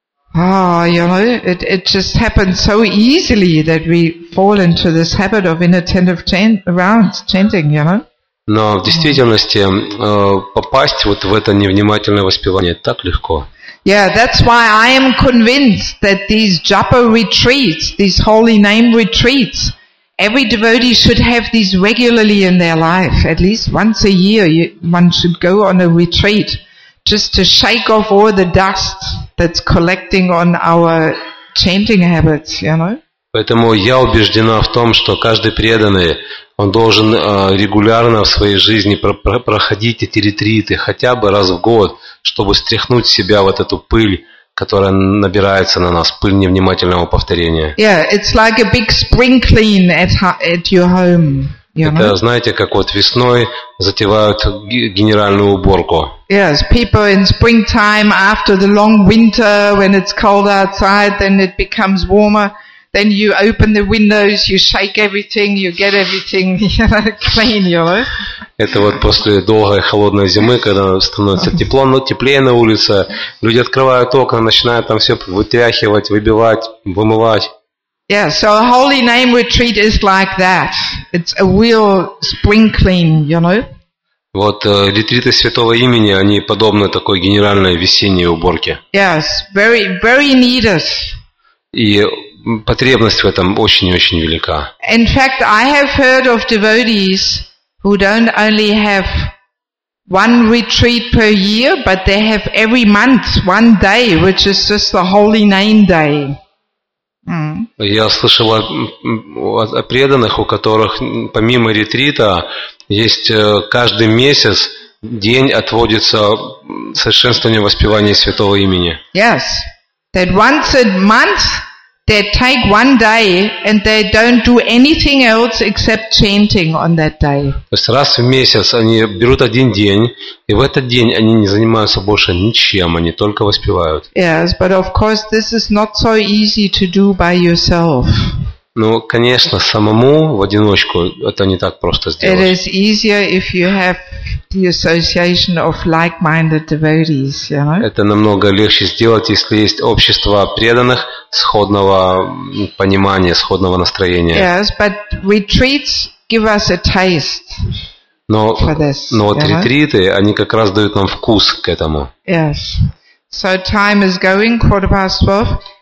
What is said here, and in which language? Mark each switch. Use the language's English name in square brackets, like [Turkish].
[English] It just happens so easily that we fall into this habit of inattentive chanting, you know. [Russian] Но в действительности попасть вот в это невнимательное воспевание так легко. [English] Yeah, that's why I am convinced that these japa retreats, these holy name retreats, every devotee should have these regularly in their life. At least once a year, one should go on a retreat, just to shake off all the dust that's collecting on our chanting habits, you know? [Russian] Поэтому я убеждена в том, что каждый преданный, он должен регулярно в своей жизни проходить эти ретриты хотя бы раз в год, чтобы стряхнуть с себя вот эту пыль, которая набирается на нас, пыль невнимательного повторения. [English] Yeah, it's like a big spring clean at your home. [Russian] Это, знаете, как вот весной затевают генеральную уборку. [English] Yes, people in springtime after the long winter when it's cold outside, then it becomes warmer, then you open the windows, you shake everything, you get everything clean, you know. [Russian] Это вот после долгой холодной зимы, когда становится тепло, но теплее на улице, люди открывают окна, начинают там все вытряхивать, выбивать, вымывать. [English] Yeah, so a holy name retreat is like that. It's a real spring clean, you know? [Russian] Вот ретриты святого имени, они подобны такой генеральной весенней уборке. [English] Yes, very, very needed. [Russian] И потребность в этом очень-очень велика. [English] In fact, I have heard of devotees who don't only have one retreat per year, but they have every month one day, which is just the holy name day. [Russian] Я слышал о преданных, у которых помимо ретрита есть каждый месяц день отводится совершенствованию воспевания святого имени. [English] Yes, that once a month they take one day and they don't do anything else except chanting on that day. [Russian] То есть раз в месяц они берут один день, и в этот день они не занимаются больше ничем, они только воспевают. [English] Yes, but of course this is not so easy to do by yourself. [Russian] Ну, конечно, самому в одиночку это не так просто сделать. [English] It is easier if you have the association of like-minded devotees, you know? [Russian] Это намного легче сделать, если есть общество преданных сходного понимания, сходного настроения. [English] Yes, but retreats give us a taste. [Russian] Но вот ретриты, они как раз дают нам вкус к этому. [English] Yes. So time is going, 12:15.